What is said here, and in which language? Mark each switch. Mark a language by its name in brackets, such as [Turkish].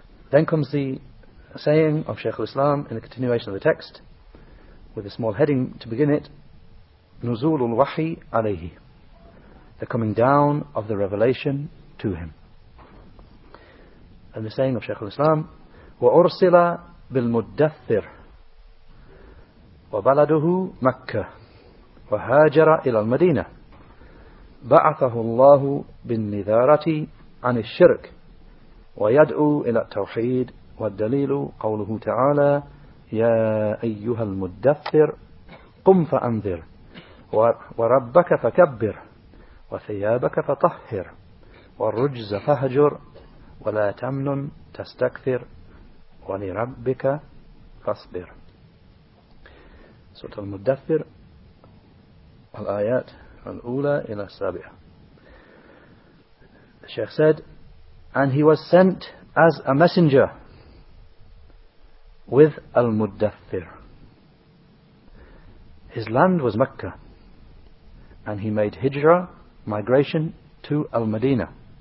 [English] Then comes the saying of Shaykh al-Islam in the continuation of the text, with a small heading to begin it, [Arabic] نزول الوحي عليه, [English] the coming down of the revelation to him. And the saying of Shaykh al-Islam, [Arabic] وَأُرْسِلَ بِالْمُدَّثِّرِ وَبَلَدُهُ مَكَّةِ وهاجر إلى المدينة. بعثه الله بالنذارة عن الشرك ويدعو إلى التوحيد، والدليل قوله تعالى: يا أيها المدثر قم فأنذر وربك فكبر وثيابك فطهر والرجز فهجر ولا تمنن تستكثر ولربك فاصبر. سورة المدثر، الآيات الأولى إلى السابعة. [English] The Sheikh said, and he was sent as a messenger with Al-Mudaththir. His land was Mecca, and he made hijrah, migration, to Al-Madinah.